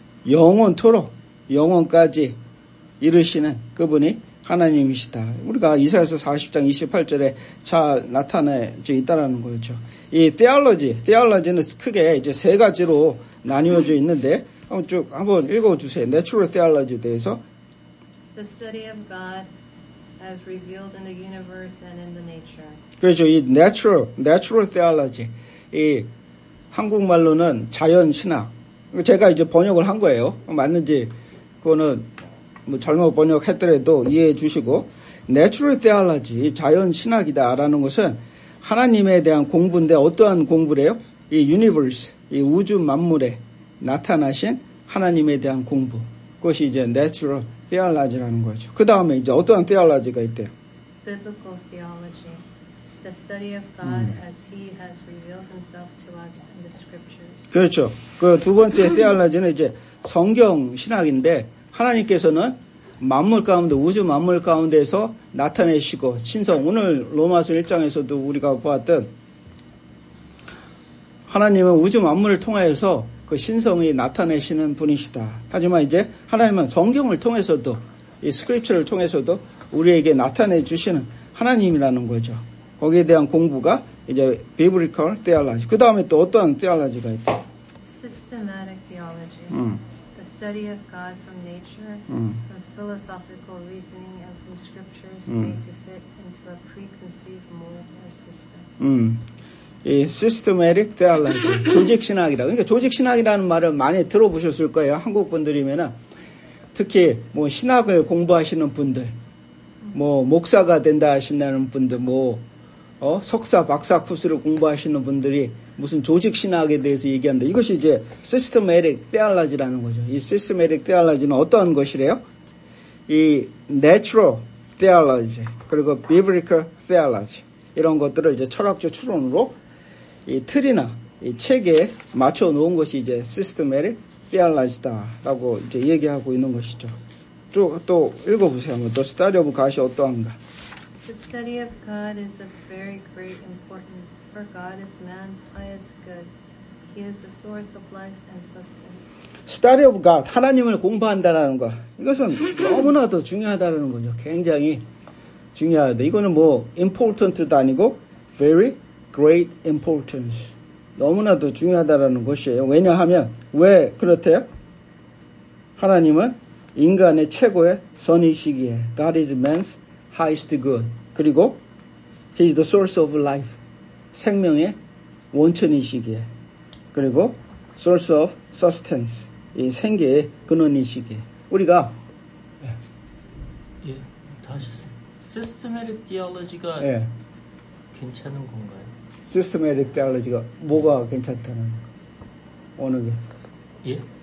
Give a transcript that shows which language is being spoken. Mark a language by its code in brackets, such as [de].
[ko] 영원토록 영원까지 이르시는 그분이 하나님이시다. 우리가 이사야서 40장 28절에 잘 나타나 있다라는 거죠. 이 theology는 크게 이제 세 가지로 나뉘어져 있는데 한번 읽어주세요. Natural theology에 대해서. [en] The study of God as revealed in the universe and in the nature. [ko] 그렇죠. 이 natural theology. 이 한국말로는 자연신학. 제가 이제 번역을 한 거예요. 맞는지 그거는 뭐 잘못 번역했더라도 이해해 주시고 Natural Theology, 자연신학이다라는 것은 하나님에 대한 공부인데 어떠한 공부래요? 이 Universe, 이 우주 만물에 나타나신 하나님에 대한 공부 그것이 이제 Natural Theology라는 거죠. 그 다음에 이제 어떠한 Theology가 있대요? [en] Biblical Theology, The study of God as He has revealed Himself to us in the Scriptures. [ko] 그렇죠. 그 두 번째 Theology는 이제 성경 신학인데 하나님께서는 만물 가운데 우주 만물 가운데서 나타내시고 신성 오늘 로마서 1장에서도 우리가 보았던 하나님은 우주 만물을 통하여서 그 신성이 나타내시는 분이시다. 하지만 이제 하나님은 성경을 통해서도 이 스크립처를 통해서도 우리에게 나타내 주시는 하나님이라는 거죠. 거기에 대한 공부가 이제 비브리컬 테올로지. 그 다음에 또 어떤 테올로지가 있다. [en] Systematic theology. Study of God from nature, from philosophical reasoning, and from scriptures made to fit into a preconceived mold or system. [ko] 이 systematic theology, 조직 신학이라. 그러니까 조직 신학이라는 말을 많이 들어보셨을 거예요. 한국 분들이면은 특히 뭐 신학을 공부하시는 분들, 뭐 목사가 된다 하신다는 분들, 뭐 석사, 박사 코스를 공부하시는 분들이 무슨 조직 신학에 대해서 얘기한다. 이것이 이제 systematic theology라는 거죠. 이 systematic theology는 어떤 것이래요? 이 natural theology, 그리고 biblical theology, 이런 것들을 이제 철학적 추론으로 이 틀이나 이 책에 맞춰 놓은 것이 이제 systematic theology다라고 이제 얘기하고 있는 것이죠. 쭉 또 읽어보세요. 한번 더 study of God이 어떠한가. [en] The study of God is of very great importance, for God is man's highest good. He is the source of life and sustenance. [ko] Study of God, 하나님을 공부한다라는 것. 이것은 너무나도 중요하다는 거죠. 굉장히 중요하다. 이거는 뭐 important도 아니고 [en] very great importance. [ko] 너무나도 중요하다는 것이에요. 왜냐하면 왜 그렇대요? 하나님은 인간의 최고의 선이시기에 [en] God is man's highest good. 그리고 He is the source of life. [ko] 생명의 원천이시기에. [en] 그리고 source of sustenance. [ko] 이 생계의 근원이시기에. 우리가 예. 예. 다 하셨어요. Systematic theology가 예. 괜찮은 건가요? Systematic theology가 뭐가 괜찮다는 거? 어느 게? 예?